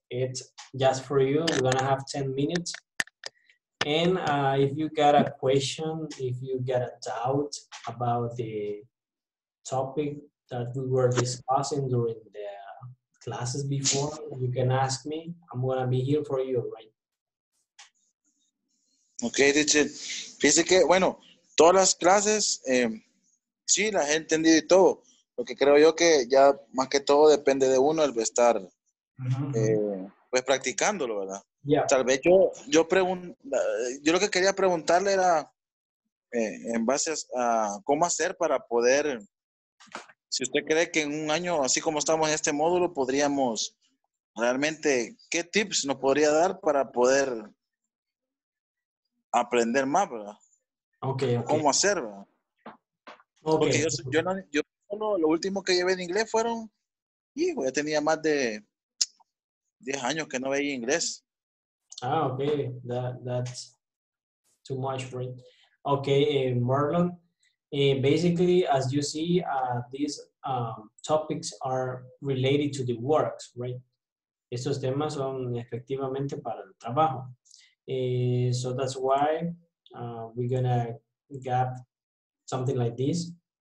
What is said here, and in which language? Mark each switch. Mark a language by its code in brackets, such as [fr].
[en] It's just for you. We're gonna have 10 minutes. And if you got a question, if you got a doubt about the topic that we were discussing during the classes before, you can ask me. I'm gonna be here for you, right? Okay, teacher. [es] Dice que, bueno, todas las clases, sí, las he entendido y todo. Lo que creo yo que ya más que todo depende de uno el estar pues practicándolo, ¿verdad? [en] Yeah. [es] Tal vez yo lo que quería preguntarle era en base a cómo hacer para poder, si usted cree que en un año, así como estamos en este módulo, podríamos realmente, ¿qué tips nos podría dar para poder aprender más, ¿verdad? [en] Okay. [es] ¿Cómo hacer, ¿verdad? [en] Okay. [es] Porque yo bueno, lo último que llevé de inglés fueron, hijo, ya tenía más de 10 años que no veía inglés. [en] Ah, okay, that's too much, right? Okay, Marlon, basically, as you see, these topics are related to the works, right? [es] Estos temas son efectivamente para el trabajo. [en] So that's why we're gonna get something like this.